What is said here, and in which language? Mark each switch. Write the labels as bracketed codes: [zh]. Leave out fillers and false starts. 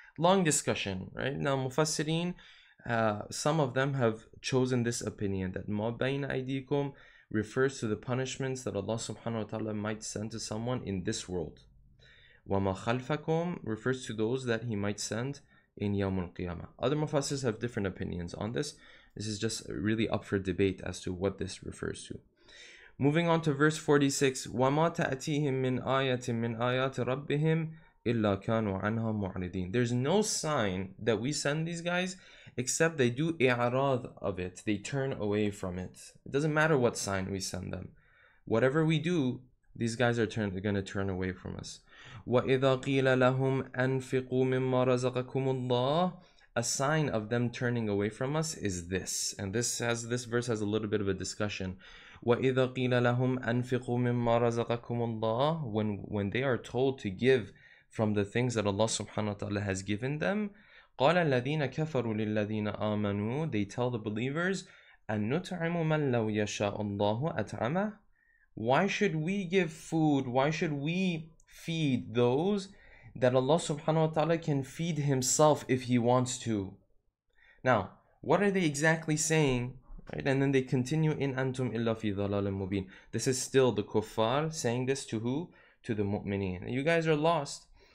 [en] Long discussion, right? Now mufassirin, some of them have chosen this opinion that [ar] ma bayna aydikum [en] refers to the punishments that Allah subhanahu wa ta'ala might send to someone in this world. [ar] Wa ma khalfakum [en] refers to those that he might send in yawmul qiyamah. Other mufassirs have different opinions on this. This is just really up for debate as to what this refers to. Moving on to verse 46, [ar] وَمَا تَأْتِيهِمْ مِنْ آيَةٍ مِنْ آيَاتِ رَبِّهِمْ إِلَّا كَانُوا عَنْهَا مُعْرِدِينَ. [en] There's no sign that we send these guys, except they do i'arad of it. They turn away from it. It doesn't matter what sign we send them. Whatever we do, these guys are going to turn away from us. [ar] وَإِذَا قِيلَ لَهُمْ أَنْفِقُوا مِمَّا رَزَقَكُمُ اللَّهِ. [en] A sign of them turning away from us is this. And this verse has a little bit of a discussion. [ar] وَإِذَا قِيلَ لَهُمْ أَنْفِقُوا مِمَّا رَزَقَكُمُ اللَّهِ. [en] When they are told to give from the things that Allah subhanahu wa ta'ala has given them, [ar] قَالَ الَّذِينَ كَفَرُوا لِلَّذِينَ آمَنُوا. [en] They tell the believers, [ar] أَنُّتْعِمُ مَنْ لَوْ يَشَاءُ اللَّهُ أَتْعَمَهُ. [en] Why should we give food? Why should we feed those that Allah subhanahu wa ta'ala can feed himself if he wants to? Now, what are they exactly saying? Right? And then they continue, [ar] in antum illa fi dhalalin mubin. [en] This is still the kuffar saying this to who? To the mu'mineen. You guys are lost.